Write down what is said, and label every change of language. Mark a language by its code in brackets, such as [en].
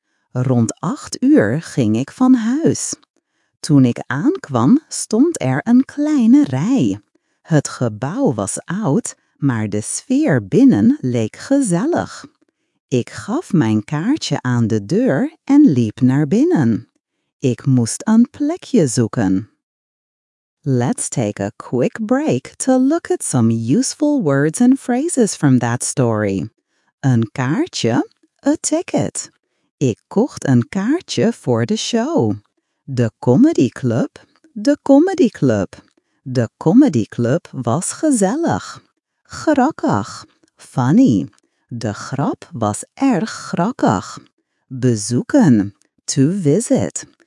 [nl] Rond 8 uur ging ik van huis. Toen ik aankwam, stond er een kleine rij. Het gebouw was oud, maar de sfeer binnen leek gezellig. Ik gaf mijn kaartje aan de deur en liep naar binnen. Ik moest een plekje zoeken. [en] Let's take a quick break to look at some useful words and phrases from that story. [nl] Een kaartje, [en] a ticket. [nl] Ik kocht een kaartje voor de show. De comedy club, de comedy club. De comedy club was gezellig. Grappig, funny. De grap was erg grappig. Bezoeken, [en] to visit.